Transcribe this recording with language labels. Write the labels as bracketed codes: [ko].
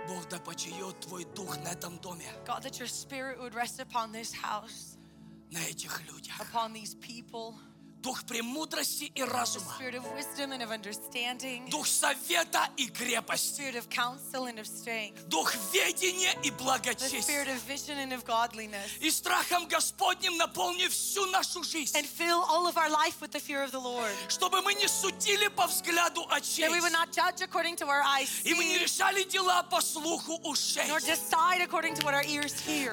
[en] God, that your spirit would rest upon this house, upon these people. [ru] Дух премудрости и разума. [en] Spirit of wisdom and of understanding. [ru] Дух совета и крепости. [en] Spirit of counsel and of strength. [ru] Дух ведения и благочестия. [en] Spirit of vision and of godliness. [ru] И страхом Господним наполни всю нашу жизнь. [en] And fill all of our life with the fear of the Lord. [ru] Чтобы мы не судили по взгляду очей. [en] That we would not judge according to our eyes see. [ru] И мы не решали дела по слуху ушей. [en] Nor decide according to what our ears hear.